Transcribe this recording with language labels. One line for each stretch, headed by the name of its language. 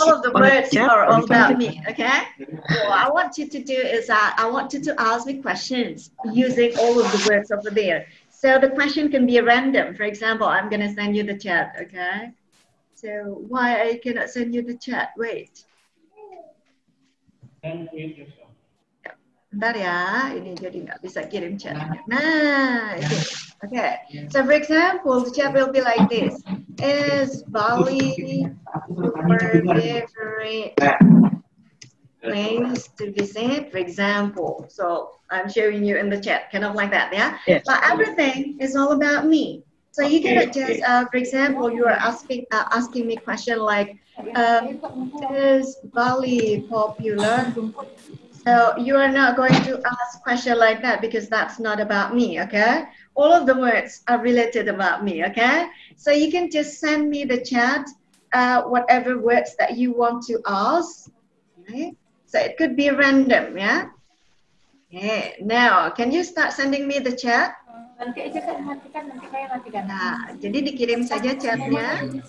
English: All of the words are all about me, okay? So what I want you to do is I want you to ask me questions using all of the words over there. So the question can be random. For example, I'm going to send you the chat, okay? So why I cannot send you the chat? Wait.
Indonesian: Bentar ya, ini jadi nggak bisa kirim chat. Nah, okay.
English: So for example, the chat will be like this. Is Bali your favorite place to visit, for example? So I'm showing you in the chat, kind of like that, yeah? Yes. But everything is all about me. So you can just, for example, you are asking me question like, is Bali popular? So you are not going to ask question like that because that's not about me, okay? All of the words are related about me, okay? So you can just send me the chat, whatever words that you want to ask, okay? So it could be random, yeah? Okay, now, can you start sending me the chat?
Indonesian: Nanti saya matikan. Jadi dikirim saja chatnya.